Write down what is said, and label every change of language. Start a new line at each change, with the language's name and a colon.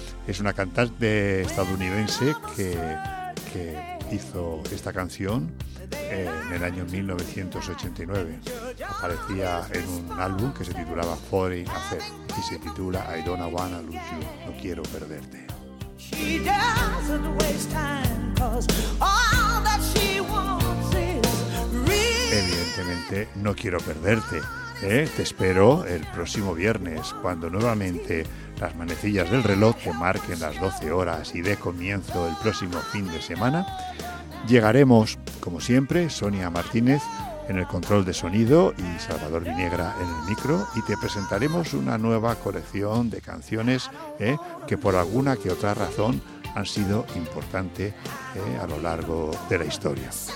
Spanish: Es una cantante estadounidense que hizo esta canción en el año 1989. Aparecía en un álbum que se titulaba Foreign Affair y se titula I Don't Wanna Lose You, no quiero perderte.
English: She doesn't waste time, 'cause all that she wants is real.
Spanish: Evidentemente, no quiero perderte. Te espero el próximo viernes, cuando nuevamente las manecillas del reloj te marquen las 12 horas y dé comienzo el próximo fin de semana. Llegaremos, como siempre, Sonia Martínez en el control de sonido y Salvador Vinegra en el micro, y te presentaremos una nueva colección de canciones que por alguna que otra razón han sido importantes a lo largo de la historia.